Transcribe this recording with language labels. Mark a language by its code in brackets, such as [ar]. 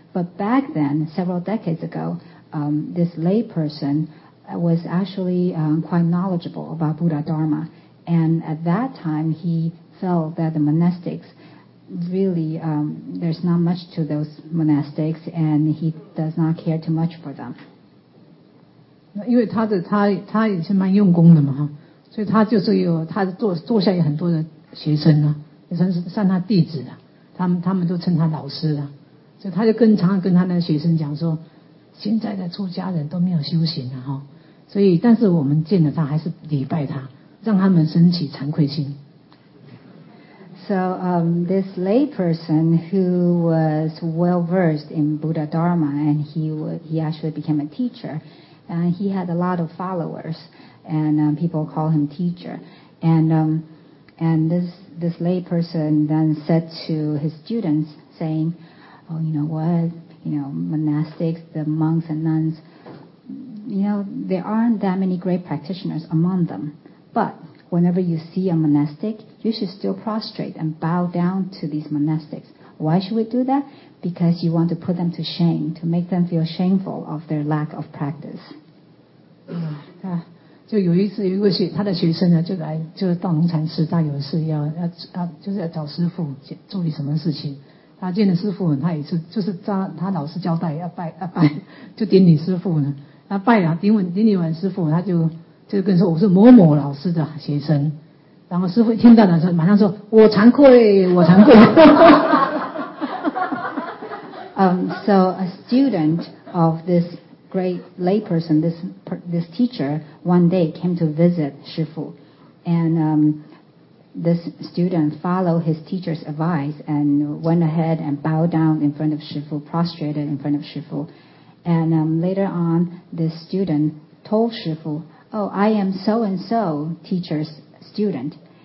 [en] But back then, several decades ago, this lay person was actually quite knowledgeable about Buddha Dharma. And at that time, he felt that the monastics really, there's not much to those monastics, and he does not care too much for them. [zh] 因为他也是蛮用功的嘛，所以他就是有，他坐下有很多的学生啊，也算是算他弟子啊，他们都称他老师啊，所以他就跟常常跟他的学生讲说，现在的出家人都没有修行啊，所以但是我们见了他还是礼拜他，让他们升起惭愧心。 [en] So, this lay person who was well versed in Buddha Dharma, and he actually became a teacher, and he had a lot of followers, and people call him teacher. And this lay person then said to his students, saying, "Oh, you know what? You know, monastics, the monks and nuns, you know, there aren't that many great practitioners among them, but." Whenever you see a monastic, you should still prostrate and bow down to these monastics. Why should we do that? Because you want to put them to shame, to make them feel shameful of their lack of practice. [zh] 啊，就有一次，有一个学他的学生呢，就来就是道农禅师，他有事要就是要找师父处理什么事情。他见了师父，他也是就是他老师交代要拜，就顶礼师父呢。他拜了顶礼完师父，他就。就跟说我是某某老师的学生，然后师父听到的时候马上说我惭愧我惭愧。 [en] So a student of this great layperson, this teacher, one day came to visit 师父, and this student followed his teacher's advice and went ahead and bowed down in front of 师父, prostrated in front of 师父, and later on this student told 师父,Oh, I am so-and-so teacher's student.